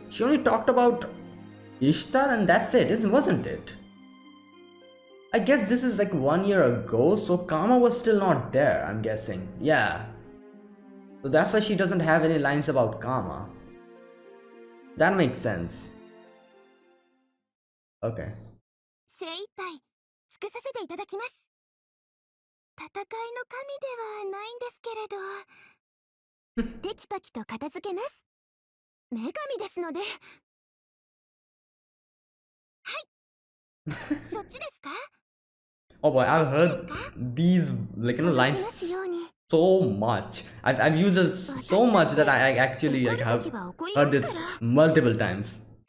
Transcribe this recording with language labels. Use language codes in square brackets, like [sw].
[en] She only talked about Ishtar and that's it, wasn't it? I guess this is like 1 year ago, so Karma was still not there, I'm guessing. Yeah. So that's why she doesn't have any lines about Karma. That makes sense. Okay. [ja] 精一杯尽くさせていただきます。戦いの神ではないんですけれど、テキパキと片付けます。女神ですので。はい。そっちですか? [en] Oh boy, I've heard these like lines so much. I've used this so much that I actually like have heard this multiple times.